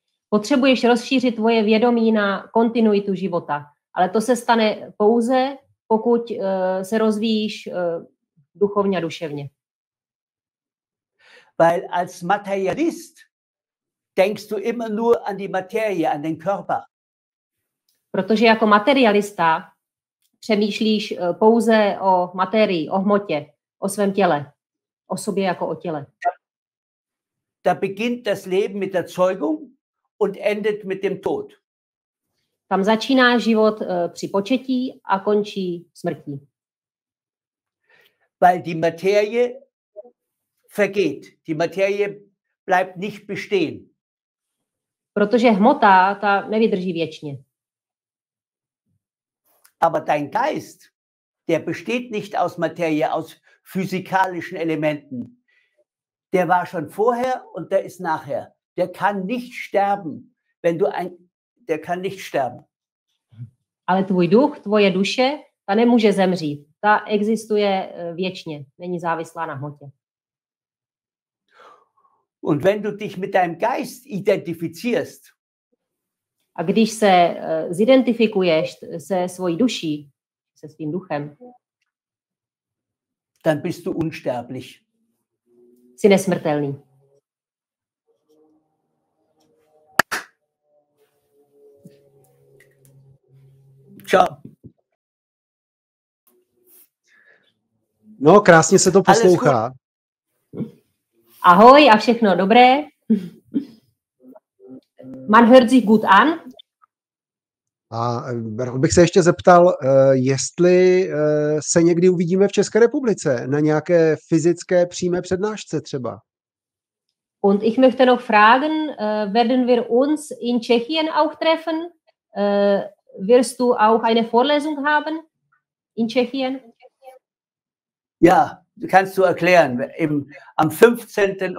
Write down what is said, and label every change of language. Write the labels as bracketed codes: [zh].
[cs] Potřebuješ rozšířit tvoje vědomí na kontinuitu života, ale to se stane pouze, pokud se rozvíjíš duchovně a duševně. [de] Weil als Materialist denkst du immer nur an die Materie, an den Körper. [cs] Protože jako materialista přemýšlíš pouze o materii, o hmotě, o svém těle, o sobě jako o těle. [de] Da beginnt das Leben mit der Zeugung und endet mit dem Tod. [cs] Tam začíná život při početí a končí smrtí. [de] Weil die Materie vergeht, die Materie bleibt nicht bestehen. [cs] Protože hmota ta nevydrží věčně. [de] Aber dein Geist, der besteht nicht aus Materie, aus physikalischen Elementen. Der war schon vorher und der ist nachher. Der kann nicht sterben, wenn du ein der kann nicht sterben. [cs] Ale tvůj duch, tvoje duše, ta nemůže zemřít. Ta existuje věčně, není závislá na hmotě. [de] Und wenn du dich mit deinem Geist identifizierst, [cs] a když se zidentifikuješ se svojí duší, se svým duchem, [de] dann bist du unsterblich. [cs] Jsi nesmrtelný. [it] Ciao. [cs] No, krásně se to poslouchá. Ahoj a všechno dobré. [de] Man hört sich gut an. [cs] A rád bych se ještě zeptal, jestli se někdy uvidíme v České republice na nějaké fyzické přímé přednášce třeba. [de] Und ich möchte noch fragen, werden wir uns in Tschechien auch treffen? Wirst du auch eine Vorlesung haben in Tschechien? Ja, kannst du erklären, am 15.